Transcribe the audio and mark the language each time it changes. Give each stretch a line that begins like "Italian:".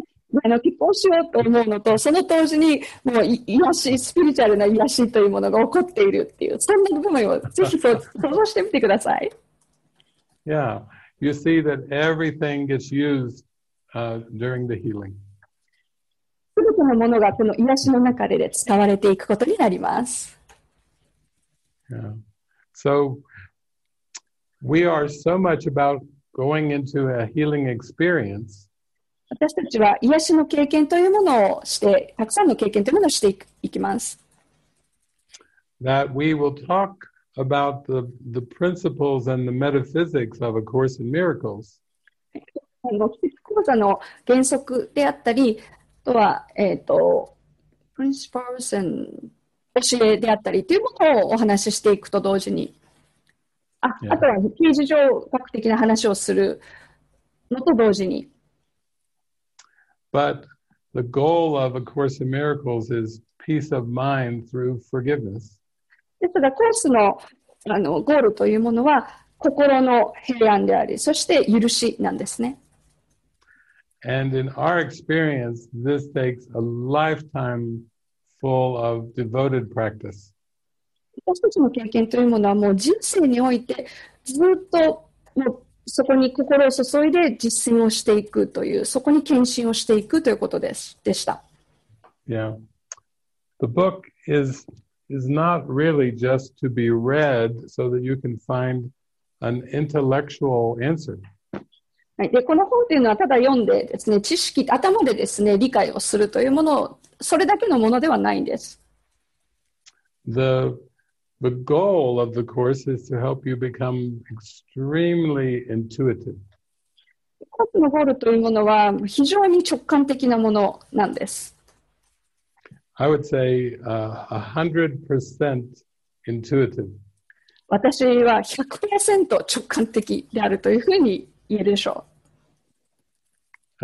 Japanese: 結婚しようと思うのと、その同時にもう癒し、スピリチュアルな癒しというものが起こっているっていう、そんな部分をぜひ想像してみてください。
English: Yeah, you see that everything gets used, during the healing.
Japanese: 全てのものがこの癒しの中で使われていくことになります。
English: Yeah. So, we are so much about going into a healing experience.
Japanese: 私たちは癒しの経験というものをして、たくさんの経験というものをしていきます。
English: That we will talk about the principles and the metaphysics of A Course in Miracles.
Japanese: 奇跡講座の原則であったり、あとは、
English: principles and
Japanese: 教えであったりというものをお話ししていくと同時に、あとは形而上学的な話をするのと同時に、
English: But the goal of A Course in Miracles is peace of mind through forgiveness.
Japanese: ですが、コースの、ゴールというものは心の平安であり、そして許しなんですね。
English: And in our experience, this takes a lifetime full of devoted practice.
Japanese: 私たちの経験というものはもう人生においてずっともうそこに心を注いで実践をしていくという、そこに献身をしていくということです、でした。
English: Yeah. The book is not really just to be read so that you can find an intellectual answer.
Japanese: はい。で、この本というのはただ読んでですね、知識、頭でですね、理解をするというもの、それだけのものではないんです。
English: The goal of the course is to help you become extremely intuitive.
Japanese: コースのゴールというものは非常に直感的なものなんです。
English: I would say 100% intuitive.
Japanese: 私は 100% 直感的であるというふうに言えるでしょう。